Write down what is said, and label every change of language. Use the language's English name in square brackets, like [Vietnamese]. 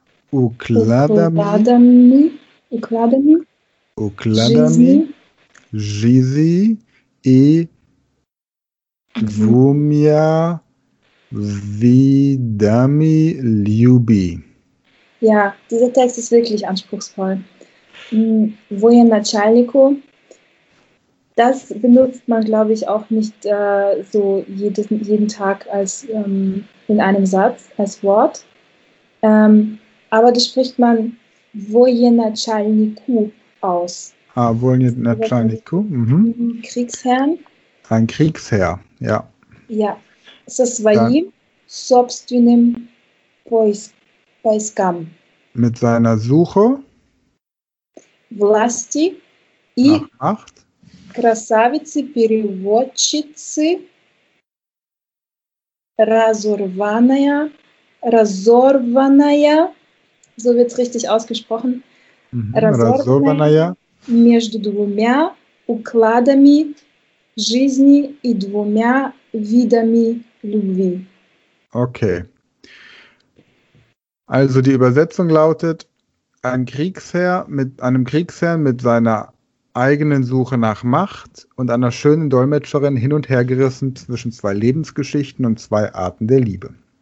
[Russian] укладами жизни и двумя видами любви. [German] Ja, dieser Text ist wirklich anspruchsvoll. Военачальнику, das benutzt man, glaube ich, auch nicht so jeden Tag als in einem Satz, als Wort. Aber das spricht man Военачальнику aus. [Russian] Ah, Военачальнику. [German] Kriegsherrn. Ein Kriegsherr, ja. Ja. [Russian] Со своим собственным поиском. [German] Mit seiner Suche. [Russian] Власти и красавицы-переводчицы разорванная, [German] so wird es richtig ausgesprochen, [Russian] разорванная между двумя укладами жизни и двумя видами любви. [German] Okay. Also die Übersetzung lautet, Ein Kriegsherr mit seiner eigenen Suche nach Macht und einer schönen Dolmetscherin hin und her gerissen zwischen zwei Lebensgeschichten und zwei Arten der Liebe.